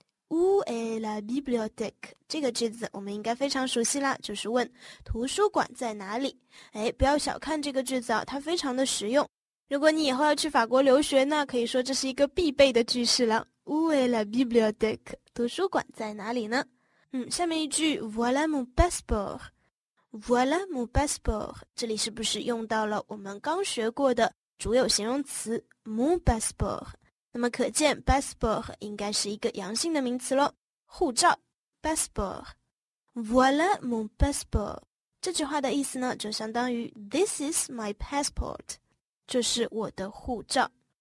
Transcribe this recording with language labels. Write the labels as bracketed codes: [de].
[fr] Où est la bibliothèque? [zh] 这个句子我们应该非常熟悉啦，就是问图书馆在哪里。哎，不要小看这个句子啊，它非常的实用。如果你以后要去法国留学呢，可以说这是一个必备的句式了。 [fr] Où est la bibliothèque? [zh] 图书馆在哪里呢？下面一句 [fr] Voilà mon passeport. Voilà mon passeport. [zh] 这里是不是用到了我们刚学过的主有形容词 mon passeport? 那么可见 passeport 应该是一个阳性的名词咯，护照 passeport. [fr] Voilà mon passeport. [zh] 这句话的意思呢，就相当于 [en] This is my passport， [zh] 这是我的护照。